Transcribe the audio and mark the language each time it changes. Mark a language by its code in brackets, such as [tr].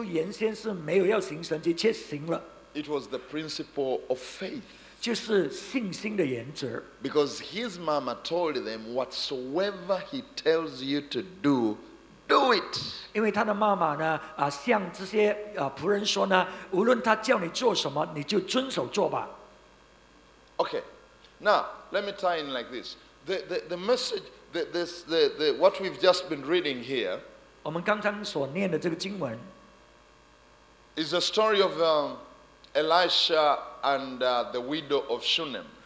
[zh] 所以那个什么原则呢？使到耶稣原先是没有要行神迹，却行了。 [en] It was the principle of faith. [zh] 就是信心的原则。 [en] Because his mama told them, whatsoever he tells you to do, do it. [zh] 因为他的妈妈呢，向这些仆人说呢，无论他叫你做什么，你就遵守做吧。 [en] Okay, now let me tie in like this: the message, what we've just been reading here. [zh] 我们刚刚所念的这个经文 [en] is a story of Elisha and the widow of Shunem.